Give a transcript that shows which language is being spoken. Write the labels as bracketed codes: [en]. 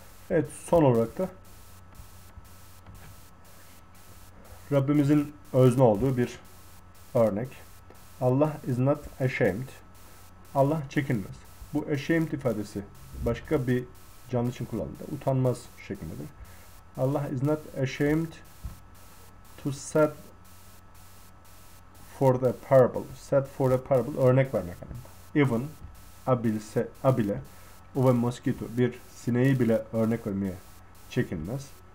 [tr] Evet, son olarak da Rabbimizin özne olduğu bir örnek. [en] Allah is not ashamed. [tr] Allah çekinmez. Bu ashamed ifadesi başka bir canlı için kullanıldı. Utanmaz şeklindedir. [en] Allah is not ashamed to set for the parable. Set for the parable [tr] örnek vermek anlamında. [en] Even a bile of a mosquito, [tr] bir sineği bile örnek vermeye çekinmez.